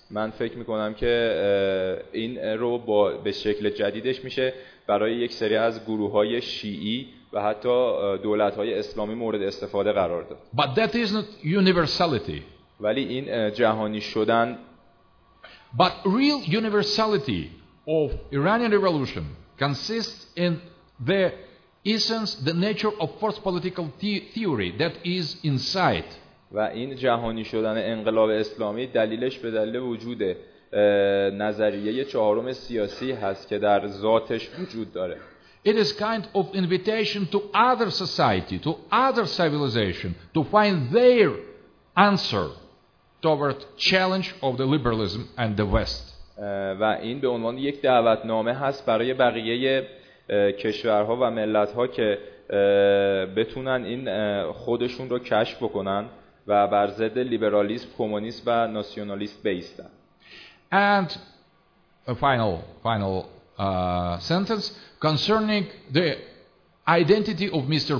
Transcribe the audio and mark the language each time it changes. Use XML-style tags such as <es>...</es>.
<fa>من فکر می‌کنم که این رو با به شکل جدیدش میشه برای یک سری از گروه‌های شیعی و حتی دولت‌های اسلامی مورد استفاده قرار داد.</fa> <en>But that is not universality.</en> <fa>ولی این جهانی شدن.</fa> <en>But real universality of Iranian revolution consists in the essence the nature of fourth political theory that is inside</en> <fa>و این جهانی شدن انقلاب اسلامی دلیلش به دلیل وجود نظریه چهارم سیاسی هست که در ذاتش وجود داره</fa> <en>it is kind of invitation to other society to other civilization to find their answer toward challenge of the liberalism and the west</en> <fa>و این به عنوان یک دعوتنامه هست برای بقیه کشورها و ملت‌ها که بتونن این خودشون رو کشف بکنن و بر ضد لیبرالیسم، کمونیسم و ناسیونالیسم بایستن.</fa> <en>And a final sentence concerning the identity of Mr.</en>